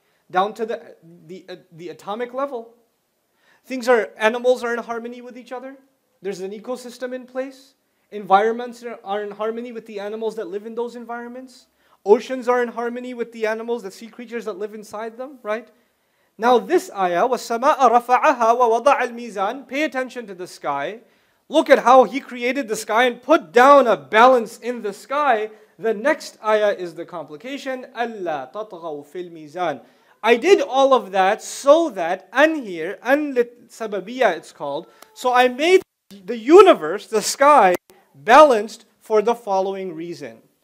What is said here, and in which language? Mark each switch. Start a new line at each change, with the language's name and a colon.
English: Down to the atomic level. Animals are in harmony with each other. There's an ecosystem in place. Environments are in harmony with the animals that live in those environments. Oceans are in harmony with the animals, the sea creatures that live inside them, right? Now this ayah,
Arabic: وَالسَّمَاءَ رَفَعَهَا وَوَضَعَ الْمِيزَانِ.
English: Pay attention to the sky. Look at how he created the sky and put down a balance in the sky. The next ayah is the complication.
Arabic: أَلَّا تَطْغَوْ فِي الْمِيزَانِ.
English: I did all of that so that, and here, and
Arabic: لِلْسَبَبِيَا
English: it's called, so I made the universe, the sky, balanced for the following reason.